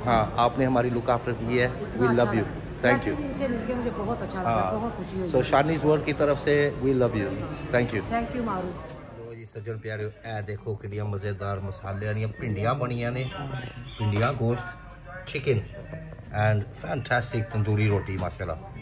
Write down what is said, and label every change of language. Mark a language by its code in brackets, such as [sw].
[hi] हाँ, आपने हमारी [en] look after [hi] की है. [en] We love you. Thank you. [hi] इनसे मिलके मुझे बहुत अच्छा लगा, बहुत खुशी हुई. [en] So, Shaniis World [hi] की तरफ से [en] we love you. Thank you. Thank you, Maruk. [hi] सज्जन प्यारे ऐ देखो कितनी मजेदार मसाले आनी हैं पिंडियां बनी हैं ने पिंडियां गोश्त [en] chicken and fantastic [hi] तंदूरी रोटी माशाल्लाह.